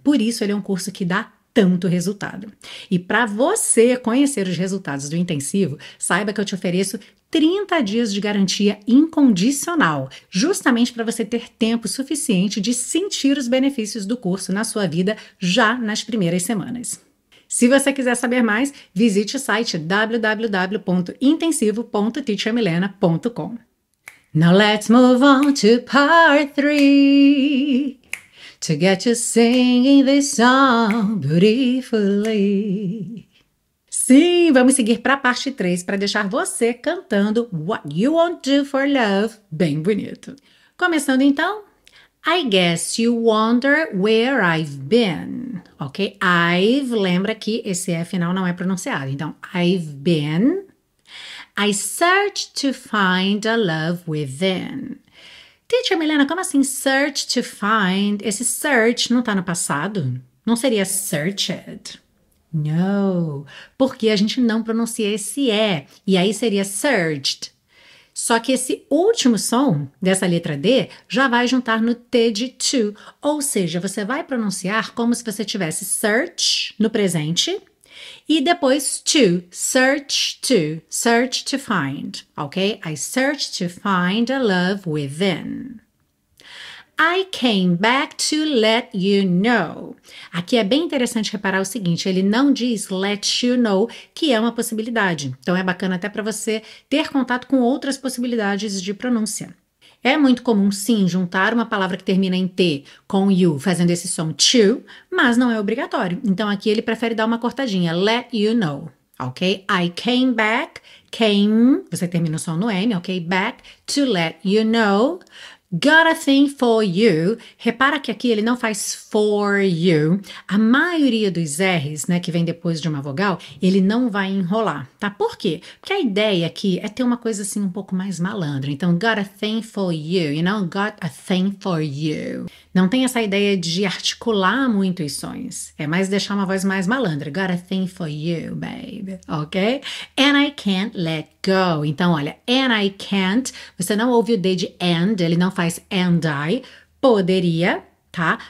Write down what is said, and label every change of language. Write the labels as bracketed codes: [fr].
[pt] Por isso, ele é um curso que dá tanto resultado. E para você conhecer os resultados do Intensivo, saiba que eu te ofereço 30 dias de garantia incondicional, justamente para você ter tempo suficiente de sentir os benefícios do curso na sua vida já nas primeiras semanas. Se você quiser saber mais, visite o site www.intensivo.teachermilena.com. [en] Now let's move on to part 3, to get you singing this song beautifully. [pt] Sim, vamos seguir para a parte 3, para deixar você cantando What You Won't Do For Love bem bonito. Começando então, [en] I guess you wonder where I've been, ok? [pt] I've, lembra que esse é final, não é pronunciado, então [en] I've been. I search to find a love within. [pt] Teacher Milena, como assim [en] search to find? [pt] Esse search não está no passado? Não seria searched? No, porque a gente não pronuncia esse E, e aí seria searched. Só que esse último som dessa letra D já vai juntar no T de to, ou seja, você vai pronunciar como se você tivesse search no presente, e depois to, [en] search to find, [pt] ok? [en] I search to find a love within. I came back to let you know. [pt] Aqui é bem interessante reparar o seguinte, ele não diz [en] let you know, [pt] que é uma possibilidade. Então é bacana até para você ter contato com outras possibilidades de pronúncia. É muito comum, sim, juntar uma palavra que termina em T com you, fazendo esse som to, mas não é obrigatório. Então, aqui ele prefere dar uma cortadinha, [en] let you know, [pt] ok? [en] I came back, came, [pt] você termina o som no N, ok? [en] Back to let you know, got a thing for you. [pt] Repara que aqui ele não faz [en] for you. [pt] A maioria dos R's, né, que vem depois de uma vogal, ele não vai enrolar, tá? Por quê? Porque a ideia aqui é ter uma coisa assim um pouco mais malandra. Então, [en] got a thing for you, [pt] you know, got a thing for you. Não tem essa ideia de articular muito os sons. É mais deixar uma voz mais malandra. [en] Got a thing for you, babe, [pt] ok? [en] And I can't let go. [pt] Então, olha, and I can't, você não ouve o D de and, ele não faz and I, poderia, tá?